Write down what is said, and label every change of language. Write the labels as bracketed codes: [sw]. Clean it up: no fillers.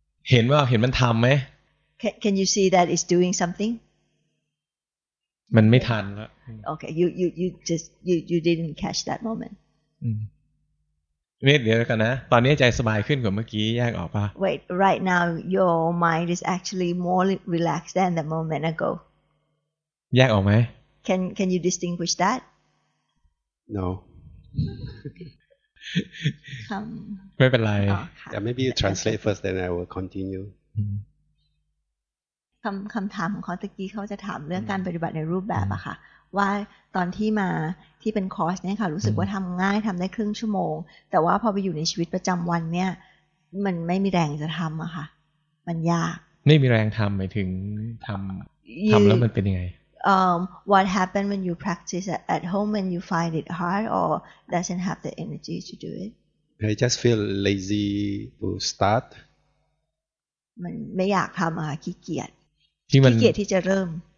[th] เห็นว่าเห็นมันทำไหม [en] can you see that it's doing something [th] มันไม่ทันละ [en] okay you didn't catch that moment [th] นี่เดี๋ยวกันนะตอนนี้ใจสบายขึ้นกว่าเมื่อกี้แยกออกป่ะ [en] wait right now your mind is actually more relaxed than the moment ago [th] แยกออกไหม [en] Can you distinguish that? No. [th] ไม่เป็นไร [en] Maybe you translate first, then I will continue. [th] คำถามของเขาตะกี้เขาจะถามเรื่องการปฏิบัติในรูปแบบอะค่ะว่าตอนที่มาที่เป็นคอร์สเนี่ยค่ะรู้สึกว่าทำง่ายทำได้ครึ่งชั่วโมงแต่ว่าพอไปอยู่ในชีวิตประจำวันเนี่ยมันไม่มีแรงจะทำอะค่ะมันยาก ไม่มีแรงทำหมายถึงทำแล้วมันเป็นยังไง [en] What happened when you practice at home and you find it hard or doesn't have the energy to do it? I just feel lazy to start. [th] มันไม่อยากทำอ่ะขี้เกียจขี้เกียจที่จะเริ่ม